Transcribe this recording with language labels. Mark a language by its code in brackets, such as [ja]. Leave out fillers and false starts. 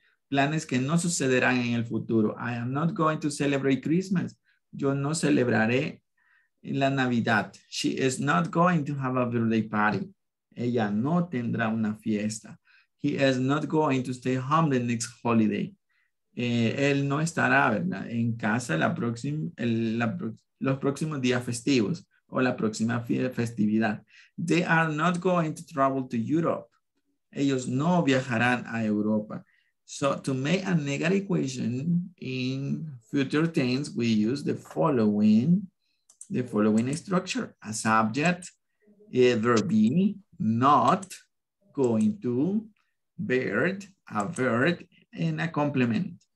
[es] Planes que no sucederán en el futuro. [en] I am not going to celebrate Christmas. [es] Yo no celebraré la Navidad. [en] She is not going to have a birthday party. [es] Ella no tendrá una fiesta. [en] He is not going to stay home the next holiday. [es] Él no estará, ¿verdad?, en casa los próximos días festivos o la próxima festividad. [en] They are not going to travel to Europe. [es] Ellos no viajarán a Europa. [en] So to make a negative question in future tense, we use the following structure: a subject, a verb be, not going to, verb, a verb, and a complement.